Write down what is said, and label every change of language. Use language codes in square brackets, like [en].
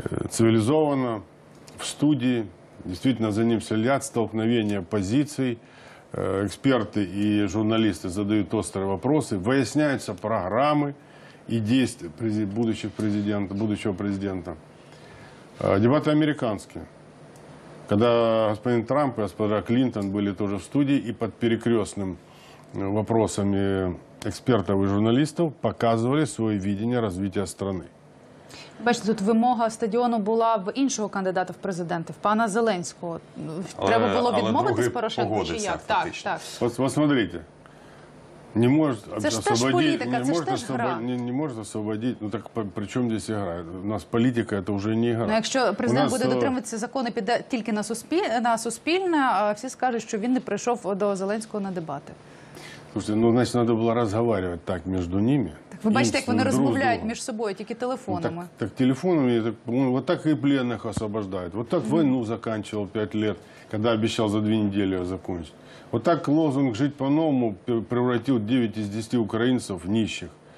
[ru] Цивилизованно, в студии, действительно за ним следят, столкновения позиций. Эксперты и журналисты задают острые вопросы, выясняются программы и действия будущего президента. Дебаты американские. Когда господин Трамп и госпожа Клинтон были тоже в студии и под перекрестным вопросами [uk] експертів і журналістів показували своє видіння розвитку країни. Бачите, тут вимога стадіону була в іншого кандидата в президенти, в пана Зеленського. Треба було відмовитись Порошенку чи як? Так, так. Ось, смотрите. Не може освободити... Це ж теж політика, не може освободити... Ну так, при чому тут гра? У нас політика, це вже не гра. Ну якщо президент буде дотримуватися закону, піде тільки на Суспільне, всі скажуть, що він не прийшов до Зеленського на дебати. [ru] Слушайте, ну, значит, надо было разговаривать так между ними. Так, вы бачите, как они разговаривают между собой, только телефонами. Так, так телефонами, так, вот так и пленных освобождают. Вот так войну заканчивал 5 лет, когда обещал за 2 недели ее закончить. Вот так лозунг «Жить по-новому» превратил 9 из 10 украинцев в нищих.